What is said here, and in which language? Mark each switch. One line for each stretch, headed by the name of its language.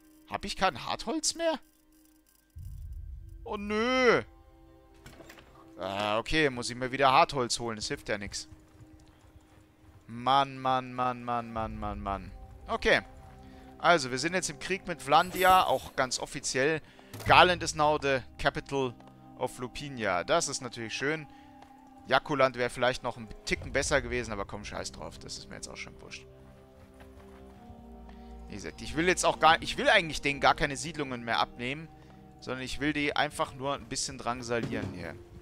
German: Habe ich kein Hartholz mehr? Oh, nö. Okay, muss ich mir wieder Hartholz holen. Das hilft ja nichts. Mann, Mann, Mann, Mann, Mann, Mann, Mann. Okay. Also, wir sind jetzt im Krieg mit Vlandia, auch ganz offiziell.
English: Garland is now the capital of Lupinia.
German: Das ist natürlich schön. Jakuland wäre vielleicht noch ein Ticken besser gewesen, aber komm, scheiß drauf. Das ist mir jetzt auch schon wurscht. Wie gesagt, ich will jetzt auch gar... Ich will eigentlich denen gar keine Siedlungen mehr abnehmen, sondern ich will die einfach nur ein bisschen drangsalieren hier.